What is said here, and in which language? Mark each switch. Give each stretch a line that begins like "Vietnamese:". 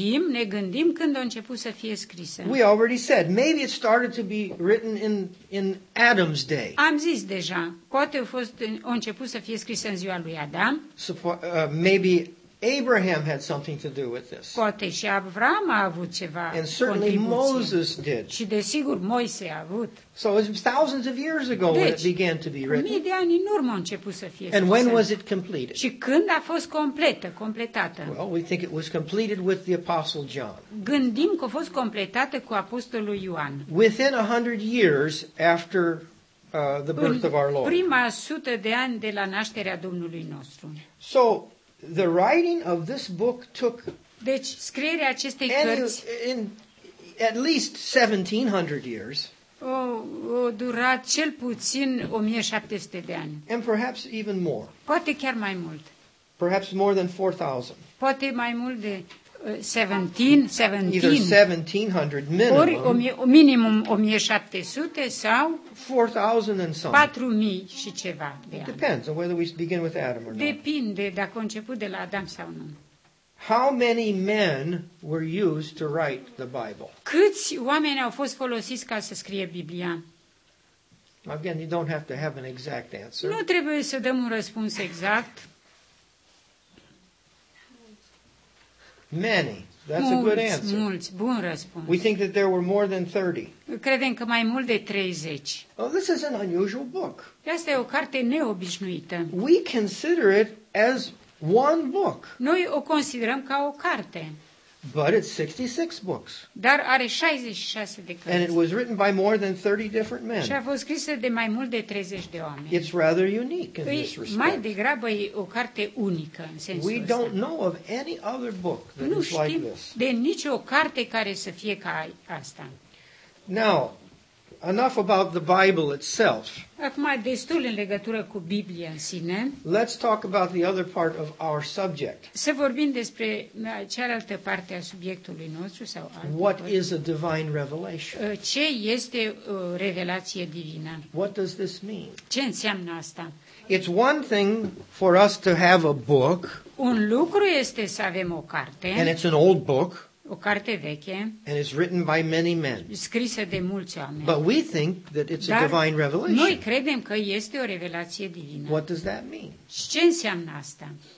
Romanian: Ne gândim când a început să fie scrisă.
English: We already said, maybe it started to be written in Adam's day.
Romanian: Am zis deja, poate a început să fie scrisă în ziua lui Adam.
English: Maybe Abraham had something to do with this.
Romanian: Poate și Avram a avut ceva.
English: And certainly
Romanian: contribuție.
English: Moses did.
Romanian: Și desigur Moise a avut.
English: So it was thousands of years ago,
Romanian: deci,
English: when it began to be written.
Romanian: Mii de ani în urmă a început să fie scrisă.
English: And when was it completed?
Romanian: Și când a fost completată?
English: Well, we think it was completed with the Apostle John.
Romanian: Gândim că a fost completată cu Apostolul Ioan.
English: Within 100 years after the birth of our Lord.
Romanian: Prima sută de ani de la nașterea Domnului nostru.
English: So the writing of this book took,
Romanian: deci, scrierea acestei cărți,
English: in at least 1700 years.
Romanian: O durat cel puțin 1700 de ani.
English: And perhaps even more.
Romanian: Poate chiar mai mult.
English: Perhaps more than 4000.
Romanian: Poate mai mult de 1700.
English: Either 1700 minimum.
Romanian: Ori minimum 1700 sau
English: 4000 and some.
Romanian: 4000 și ceva de ani.
English: It depends on whether we begin with Adam or not.
Romanian: Depinde dacă a început de la Adam sau nu.
English: How many men were used to write the Bible?
Romanian: Câți oameni au fost folosiți ca să scrie Biblia?
English: Again, you don't have to have an exact answer.
Romanian: Nu trebuie să dăm un răspuns exact.
English: Many. That's
Romanian: mulți,
English: a good answer.
Romanian: Mulți. Bun răspuns.
English: We think that there were more than 30.
Romanian: Credem că mai mult de 30.
English: Oh, this is an unusual book.
Romanian: Asta e o carte neobișnuită.
English: We consider it as one book.
Romanian: Noi o considerăm ca o carte.
English: But it's 66 books.
Romanian: Dar are 66 de cărți.
English: And it was written by more than 30 different men.
Romanian: Și a fost scrisă de mai mult de 30 de oameni.
English: It's rather unique in this respect.
Romanian: Mai degrabă e o carte unică în sensul ăsta.
English: We don't know of any other book that
Romanian: nu
English: is like this.
Romanian: Nu știm de nicio carte care să fie ca asta.
English: Now, enough about the Bible itself.
Romanian: Acum destul în legătură cu Biblia în sine.
English: Let's talk about the other part of our subject.
Romanian: Să vorbim despre cealaltă parte a subiectului nostru sau altă.
English: What is a divine revelation?
Romanian: Ce este o revelație divină?
English: What does this mean?
Romanian: Ce înseamnă asta?
English: It's one thing for us to have a book.
Romanian: Un lucru este să avem o carte.
English: And it's an old book.
Romanian: O carte veche.
English: And it's written by many men.
Romanian: Scrisă de mulți oameni.
English: But we think that it's
Romanian: Dar
English: a divine revelation.
Romanian: Noi credem că este o revelație divină.
English: What does that mean?
Romanian: Și ce înseamnă asta?